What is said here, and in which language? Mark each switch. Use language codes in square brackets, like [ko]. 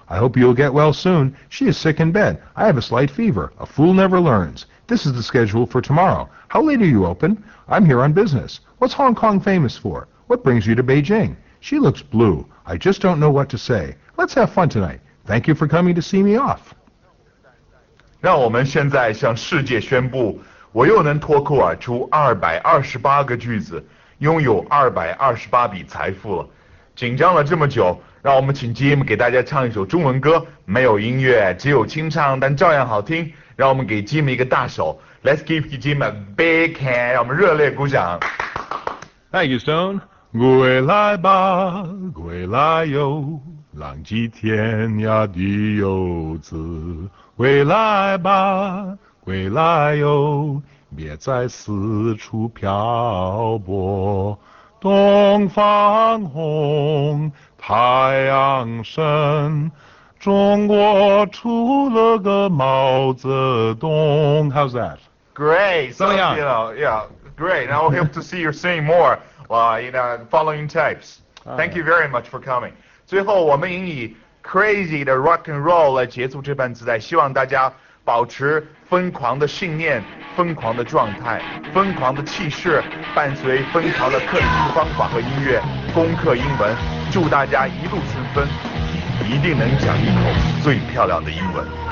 [en] I hope you'll get well soon. She is sick in bed. I have a slight fever. A fool never learns. This is the schedule for tomorrow. How late are you open? I'm here on business. What's Hong Kong famous for? What brings you to Beijing? She looks blue. I just don't know what to say. Let's have fun tonight. Thank you for coming to see me off. [zh] 让我们现在向世界宣布，我又能脱口而出228个句子，拥有228笔财富了。紧张了这么久，让我们请 Jim 给大家唱一首中文歌，没有音乐，只有清唱，但照样好听。让我们给 Jim 一个大手 ， [en] Let's give Jim a big hand， [zh] 让我们热烈鼓掌。 [en] Thank you, Stone。 [zh] 归来吧，归来哟，浪迹天涯的游子。归来吧，归来哟，别再四处漂泊。东方红，太阳升，中国出了个毛泽东。 [en] How's that? Great. So, you know, yeah, great. And I hope to see you sing more, you know, following tapes. Thank you very much for coming. [zh] 最后我们以Crazy 的 rock and roll 来结束这盘磁带，希望大家保持疯狂的信念、疯狂的状态、疯狂的气势，伴随疯狂的克里斯方法和音乐攻克英文。祝大家一路顺风，一定能讲一口最漂亮的英文。